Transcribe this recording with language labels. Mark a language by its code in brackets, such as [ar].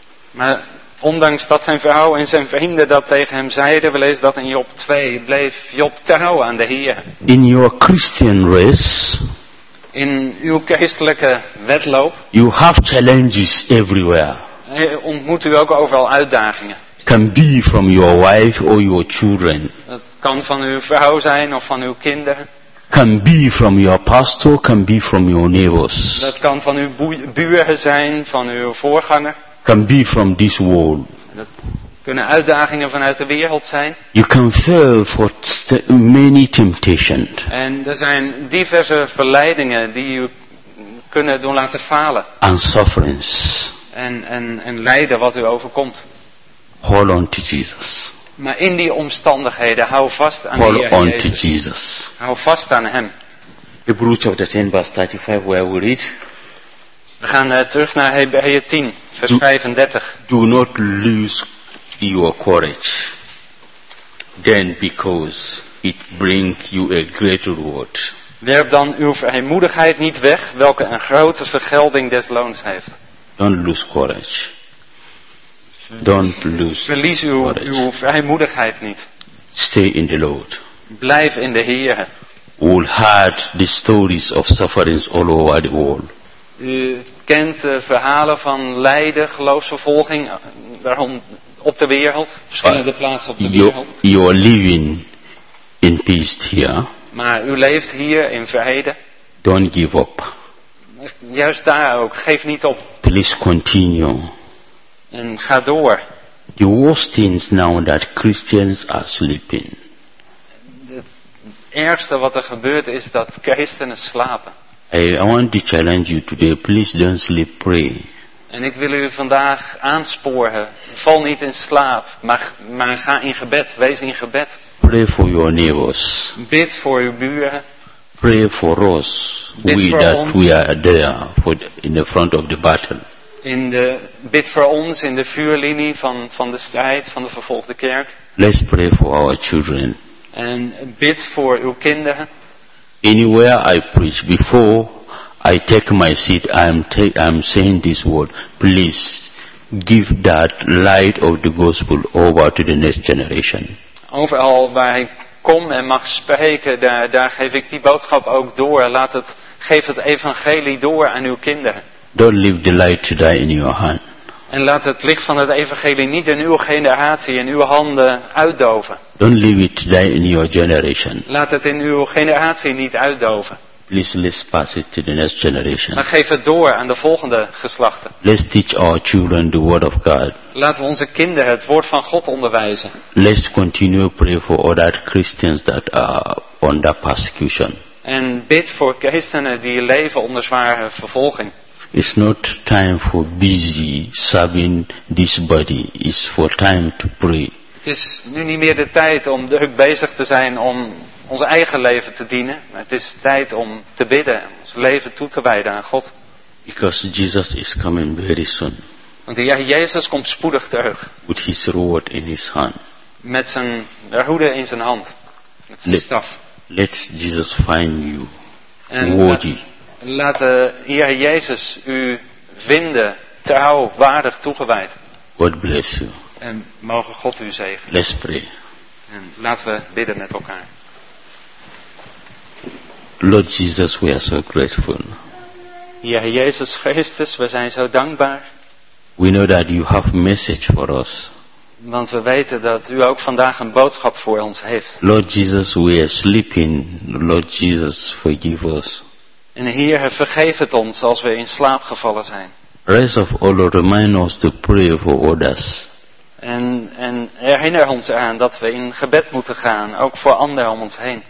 [nl] Maar ondanks dat zijn vrouw en zijn vrienden dat tegen hem zeiden, we lezen dat in Job 2, bleef Job trouw aan de Heer. [en] In your Christian race, [nl] in uw christelijke wedloop, [en] you have challenges everywhere. [nl] Ontmoet u ook overal uitdagingen. [en] Can be from your wife or your children. [nl] Dat kan van uw vrouw zijn of van uw kinderen. [en] Can be from your pastor, can be from your neighbors. [nl] Dat kan van uw buren zijn, van uw voorganger. [en] Can be from this world. [nl] Dat kunnen uitdagingen vanuit de wereld zijn. [en] You can fail for many temptations. [nl] En er zijn diverse verleidingen die u kunnen doen laten falen. [en] And sufferings. [nl] en lijden wat u overkomt. [en] Hold on to Jesus. [nl] Maar in die omstandigheden hou vast aan Heer Jezus. [en] Hold on to Jesus. [nl] Hou vast aan Hem. [en] Hebrews chapter 10 verse 35 where we read. [nl] We gaan terug naar Hebreeën 10 vers 35. [en] Do not lose your courage. Then because it brings you a great reward. [nl] Werp dan uw vrijmoedigheid niet weg, welke een grote vergelding des loons heeft. [en] Don't lose courage. Don't lose [nl] Verlies uw, [en] courage. [nl] Uw vrijmoedigheid niet. [en] Stay in the Lord. [nl] Blijf in de Heer. [en] We'll heard the stories of sufferings all over the world. [nl] U kent verhalen van lijden, geloofsvervolging, waarom op de wereld, verschillende plaatsen op de wereld. [en] You are living in peace here. [nl] Maar u leeft hier in vrede. [en] Don't give up. [nl] Juist daar ook. Geef niet op. [en] Please continue. [nl] En ga door. [en] The worst thing is now that Christians are sleeping. [nl] Het ergste wat er gebeurt is dat christenen slapen. [en] I want to challenge you today. Please don't sleep. Pray. [nl] En ik wil u vandaag aansporen. Val niet in slaap. Maar ga in gebed. Wees in gebed. [en] Pray for your neighbors. [nl] Bid voor uw buren. [en] Pray for us. [nl] Bid [en] we [nl] voor [en] that [nl] ons. [en] We are there for the, in the front of the battle. [nl] In de, bid voor ons in de vuurlinie van de strijd van de vervolgde kerk. [en] Let's pray for our children. [nl] En bid voor uw kinderen. [en] Anywhere I preach, before I take my seat, I'm saying this word. Please give that light of the gospel over to the next generation. [nl] Overal waar ik kom en mag spreken, daar geef ik die boodschap ook door. Geef het evangelie door aan uw kinderen. [en] Don't leave the light to die in your hand. [nl] En laat het licht van het evangelie niet in uw generatie, in uw handen uitdoven. [en] Don't leave it to die in your generation. [nl] Laat het in uw generatie niet uitdoven. [en] Please let's pass it to the next generation. [nl] Maar geef het door aan de volgende geslachten. [en] Let's teach our children the word of God. [nl] Laten we onze kinderen het woord van God onderwijzen. [en] Let's continue to pray for other Christians that are under persecution. [nl] En bid voor christenen die leven onder zware vervolging. [en] It's not time for busy serving this body. It's for time to pray. [nl] Het is nu niet meer de tijd om druk bezig te zijn om ons eigen leven te dienen. Het is tijd om te bidden, ons leven toe te wijden aan God. [en] Because Jesus is coming very soon. [nl] Want de Heer Jezus komt spoedig terug. [en] With his reward in his hand. [nl] Met zijn hoede in zijn hand. Met zijn staf. [en] Let Jesus find you worthy. [nl] Laat de Heer Jezus u vinden, trouw, waardig, toegewijd. [en] God bless you. [nl] En mogen God u zegenen. [en] Let's pray. [nl] En laten we bidden met elkaar. [en] Lord Jesus, we are so grateful. [nl] Heer Jezus Christus, we zijn zo dankbaar. [en] We know that you have a message for us. [nl] Want we weten dat u ook vandaag een boodschap voor ons heeft. [en] Lord Jesus, we are sleeping. Lord Jesus, forgive us. [nl] En Heer, vergeef het ons als we in slaap gevallen zijn. [en] Rest of all, remind us to pray for others. [nl] En herinner ons eraan dat we in gebed moeten gaan, ook voor anderen om ons heen.